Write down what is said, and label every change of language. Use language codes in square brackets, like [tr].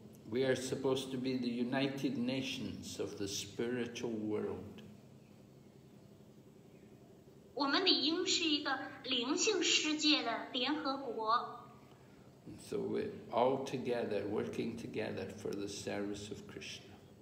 [en] we are supposed to be the United Nations of the spiritual world. [zh] 我们理应是一个灵性世界的联合国。So [en] we're all together, working together for the service of Krishna.